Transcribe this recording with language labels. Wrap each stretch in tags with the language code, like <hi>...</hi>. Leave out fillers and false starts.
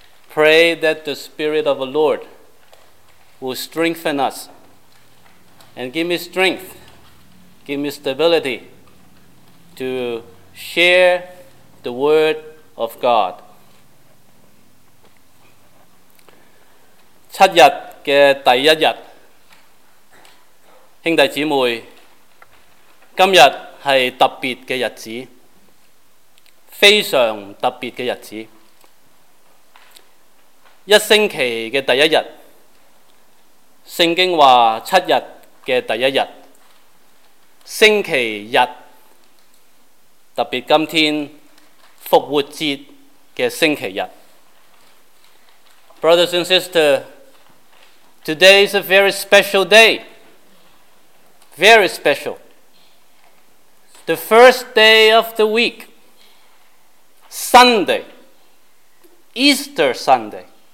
<en>Pray that the Spirit of the Lord will strengthen us. And give me strength, give me stability to share the word of God.</en> <zh>七日的第一日，兄弟姊妹，今日是特别的日子，非常特别的日子。一星期的第一日，圣经说七日的第一日，星期日，特别今天复活节的星期日。</zh> <en>Brothers and sisters, today is a very special day. Very special. The first day of the week, Sunday, Easter Sunday.</en>